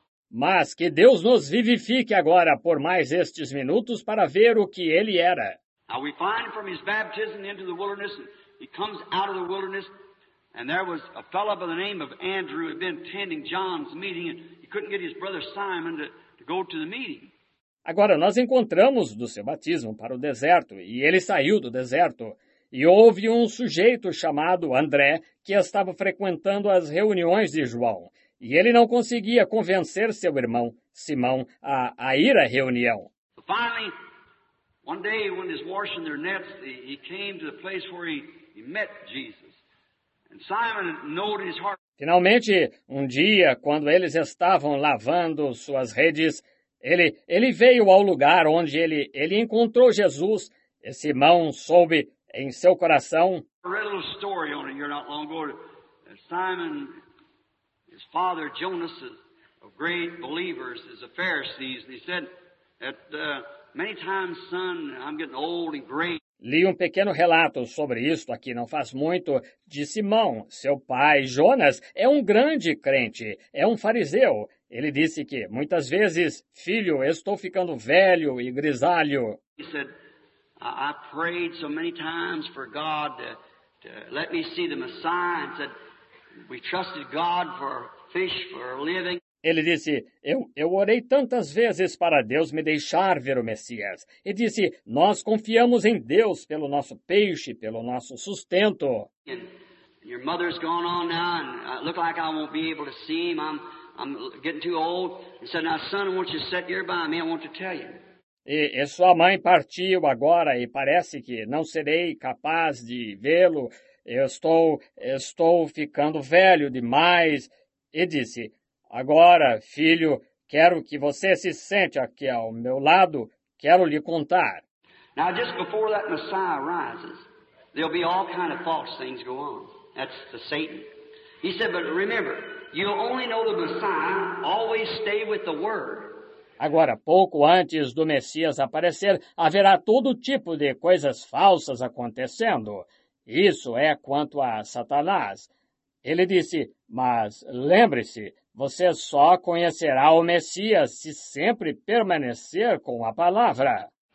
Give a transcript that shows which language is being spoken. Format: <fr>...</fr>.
<pt>Mas que Deus nos vivifique agora por mais estes minutos para ver o que ele era.</pt> <en>Now we find from his baptism into the wilderness, he comes out of the wilderness, and there was a fellow by the name of Andrew who had been attending John's meeting, and he couldn't get his brother Simon to go to the meeting.</en> <pt>Agora, nós encontramos do seu batismo para o deserto, e ele saiu do deserto. E houve um sujeito chamado André, que estava frequentando as reuniões de João. E ele não conseguia convencer seu irmão, Simão, a ir à reunião.</pt> <en>Finally, one day, when he was washing their nets, he came to the place where he met Jesus. And Simon knowed his heart.</en> <pt>Finalmente, um dia, quando eles estavam lavando suas redes, Ele veio ao lugar onde ele encontrou Jesus. E Simão soube em seu coração.</pt> <en>I read a little story on it here not long ago. Simon, his father, Jonas, of great believers, is a Pharisee. And he said, many times, son, I'm getting old and great.</en> <pt>Li um pequeno relato sobre isto aqui, não faz muito, de Simão, seu pai, Jonas, é um grande crente, é um fariseu. Ele disse que, muitas vezes, filho, estou ficando velho e grisalho.</pt> <en>He said, I prayed so many times for God to let me see the Messiah, and said, we trusted God for fish for a living.</en> <pt>Ele disse, eu orei tantas vezes para Deus me deixar ver o Messias. E disse, nós confiamos em Deus pelo nosso peixe, pelo nosso sustento.</pt> <en>And your mother's gone on now, and I look like I won't be able to see him. I'm getting too old. He said, now, son, I want you to sit here by me. I want to tell you.</en> <pt>E sua mãe partiu agora e parece que não serei capaz de vê-lo. Eu estou ficando velho demais. e disse: Agora, filho, quero que você se sente aqui ao meu lado, quero lhe contar.</pt> <en>Now, just before that Messiah rises, there'll be all kind of false things go on. That's the Satan. He said, but remember, you only know the Messiah, always stay with the Word.</en> <pt>Agora, pouco antes do Messias aparecer, haverá todo tipo de coisas falsas acontecendo. Isso é quanto a Satanás. Ele disse, mas lembre-se, você só conhecerá o Messias se sempre permanecer com a palavra.</pt>